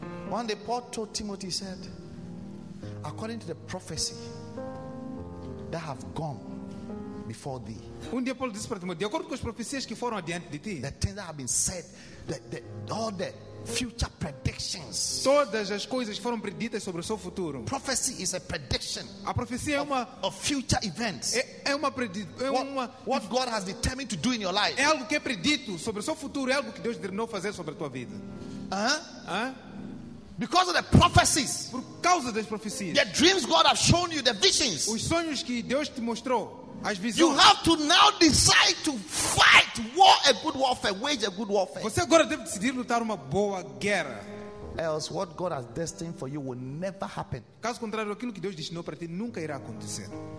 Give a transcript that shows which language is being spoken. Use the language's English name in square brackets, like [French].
[English] One day Paul told Timothy, said, according to the prophecy that have gone before thee. [Portuguese] Dia Paulo disse para Timóteo, de acordo com as profecias que foram adiante de ti. [English] The things that have been said, all that. Future predictions. [Portuguese] Todas as coisas foram preditas sobre o seu futuro. [English] Prophecy is a prediction. [Portuguese] A profecia é uma [English] of future events. What God has determined to do in your life. [Portuguese] É algo que é predito sobre o seu futuro, é algo que Deus determinou fazer sobre a tua vida. [English] Because of the prophecies. [Portuguese] Por causa das profecias. [English] The dreams God has shown you, the visions. [Portuguese] Os sonhos que Deus te mostrou. [English] You have to now decide to fight, war a good warfare, wage a good warfare. [Portuguese] Você agora deve decidir lutar uma boa guerra. [English] Else, what God has destined for you will never happen. [Portuguese] Caso contrário, aquilo que Deus destinou para ti nunca irá acontecer.